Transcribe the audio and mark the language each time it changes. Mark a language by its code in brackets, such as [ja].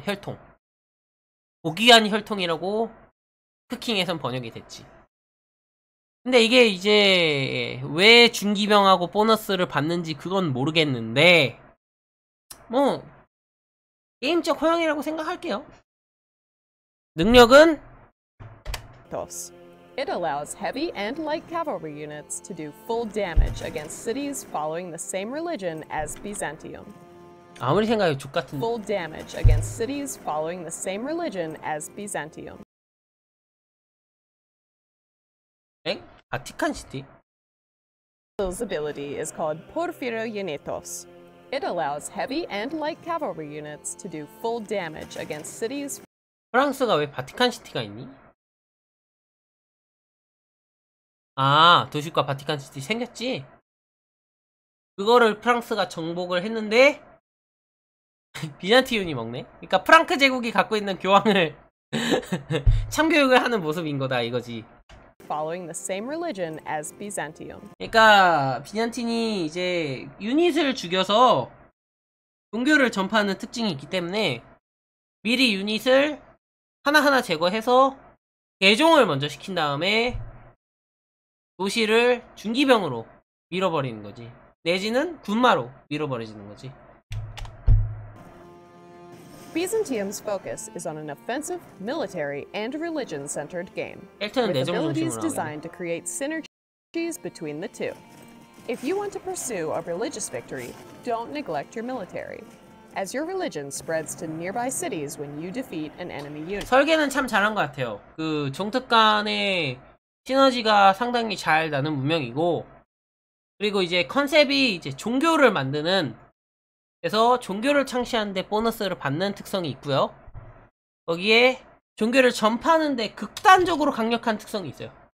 [ko] 혈통, 고귀한 혈통이라고 크킹에선 번역이 됐지. 근데 이게 이제 왜 중기병하고 보너스를 받는지 그건 모르겠는데, 뭐 게임적 허용이라고 생각할게요. 능력은 [en] It allows heavy and light cavalry units to do full damage against cities following the same religion as Byzantium. [ko] 아무리 생각해도 족같은. [en] Full damage against cities following the same religion as Byzantium. [ko] 엥? 바티칸 시티? [en] This ability is called Porphyrogenetos. It allows heavy and light cavalry units to do full damage against cities. [ko] 프랑스가 왜 바티칸 시티가 있니? 아, 도시과 바티칸 시티 생겼지? 그거를 프랑스가 정복을 했는데 비잔티운이 먹네? 그러니까 프랑크 제국이 갖고 있는 교황을 참교육을 하는 모습인 거다, 이거지. [en] Following the same religion as Byzantium. [ko] 그러니까 비잔틴이 이제 유닛을 죽여서 종교를 전파하는 특징이 있기 때문에 미리 유닛을 하나하나 제거해서 개종을 먼저 시킨 다음에 도시를 중기병으로 밀어버리는 거지. 내지는 군마로 밀어버리는 거지. [en] Byzantium's focus is on an offensive, military, and religion-centered game, Elton은 with [ko] 내정 [en] abilities [ko] 중심으로 나오겠네. [en] designed to create synergies between the two. If you want to pursue a religious victory, don't neglect your military, as your religion spreads to nearby cities when you defeat an enemy unit. [ko] 설계는 참 잘한 것 같아요. 그 종특 간의 시너지가 상당히 잘 나는 문명이고, 그리고 이제 컨셉이 이제 종교를 만드는 데서 종교를 창시하는 데 보너스를 받는 특성이 있고요. 거기에 종교를 전파하는 데 극단적으로 강력한 특성이 있어요.